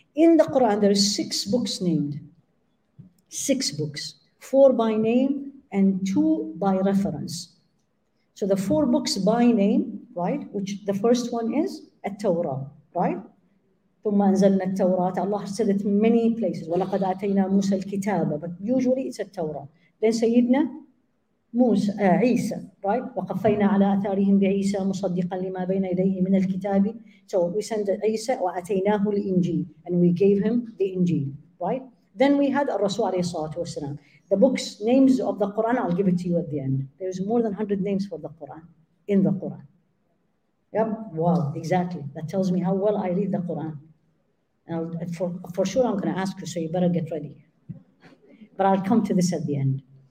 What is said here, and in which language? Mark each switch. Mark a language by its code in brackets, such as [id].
[en] In the Quran, there are six books named. Six books, four by name and two by reference. So the four books by name, right? Which the first one is At-Tawrah, right? [ar] ثم أنزلنا التوراة. [en] Allah said it many places. [ar] ولقد أتينا موسى الكتاب. [en] But usually it's التوراة. Then [ar] سيدنا موسى عيسى. [en] Right? [ar] وقفينا على أثارهم بعيسى مصدقا لما بين يديه من الكتاب. [en] So we send عيسى [ar] وأتيناه الإنجيل. [en] And we gave him the إنجيل. Right? Then we had [ar] الرسول عليه الصلاة والسلام. [en] The books, names of the Quran, I'll give it to you at the end. There's more than 100 names for the Quran. In the Quran. Yep, wow, exactly. That tells me how well I read the Quran. And for sure, I'm going to ask you, so you better get ready. But I'll come to this at the end.